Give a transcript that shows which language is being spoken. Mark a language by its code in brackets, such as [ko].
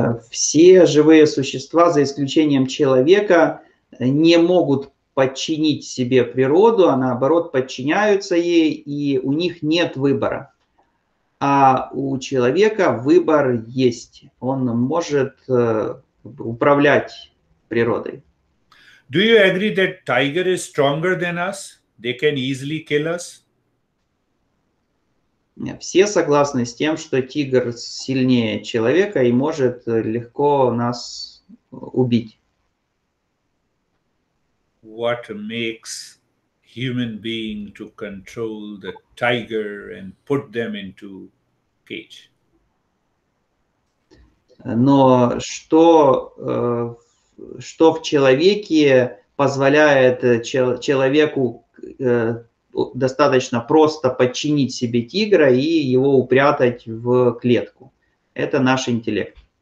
[ru] Все живые существа, за исключением человека, не могут подчинить себе природу, а наоборот подчиняются ей, и у них нет выбора. А у человека выбор есть. Он может управлять природой. [en] Do you agree that tiger is stronger than us? They can easily kill us? [ru] Все согласны с тем, что тигр сильнее человека и может легко нас убить. [en] What makes human being to control the tiger and put them into cage? [ru] Но что в человеке позволяет человеку достаточно просто подчинить себе тигра и его упрятать в клетку? Это наш интеллект.